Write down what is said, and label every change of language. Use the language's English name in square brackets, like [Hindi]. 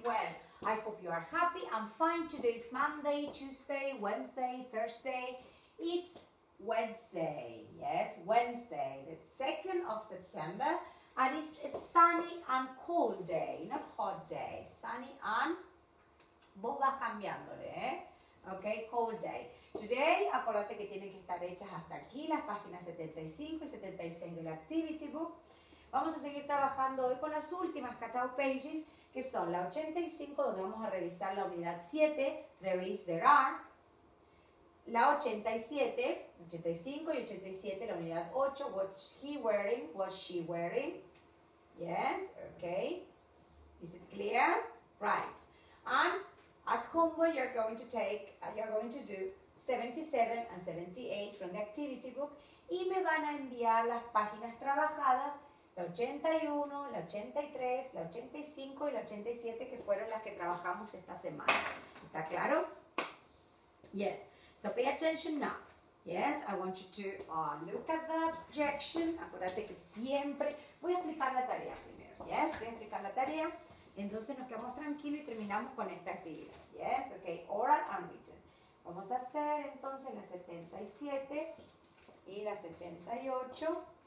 [English] Well, I hope you are happy and fine. Today's Monday, Tuesday, Wednesday, Thursday. It's Wednesday. Yes, Wednesday, the 2nd of September. And it's a sunny and cold day, not hot day. Sunny and... [Spanish] Vos vas cambiándole, eh? [English] Okay, cold day. [Spanish] Today, acordate que tienen que estar hechas hasta aquí, las páginas 75 y 76 del activity book. Vamos a seguir trabajando hoy con las últimas cut-out pages, que son la 85, donde vamos a revisar la unidad 7, [English] there is, there are. [Spanish] La 87, 85 y 87, la unidad 8, [English] what's he wearing, what's she wearing. Yes, okay. Is it clear? Right. And as homework, you're going to take, you're going to do 77 and 78 from the activity book. [Spanish] Y me van a enviar las páginas trabajadas, la 81, la 83, la 85 y la 87, que fueron las que trabajamos esta semana. ¿Está claro? [English] Yes. So pay attention now. Yes, I want you to look at the objection. [Spanish] Acuérdate que siempre... Voy a explicar la tarea primero. Yes, voy a explicar la tarea. Entonces nos quedamos tranquilos y terminamos con esta actividad. Yes, ok. [English] Oral and written. [Spanish] Vamos a hacer entonces la 77 y la 78.